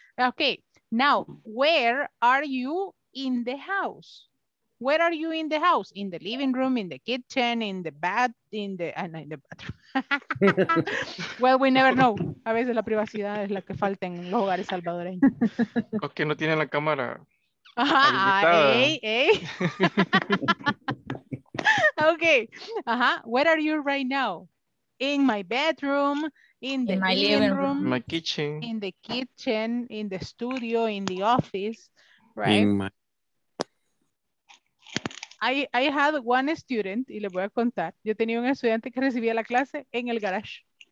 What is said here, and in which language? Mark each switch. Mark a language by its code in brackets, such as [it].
[en] Okay, now, where are you in the house? Where are you in the house? In the living room, in the kitchen, in the bath, in the bathroom. Well, we never know. [es] A veces la privacidad es la que falta en los hogares salvadoreños. Los que no tienen la cámara. [en] Okay. Where are you right now? In my bedroom, in the living room. My kitchen. In the kitchen, in the studio, in the office, right? [es] I had one student, y le voy a contar, yo tenía un estudiante que recibía la clase en el garage.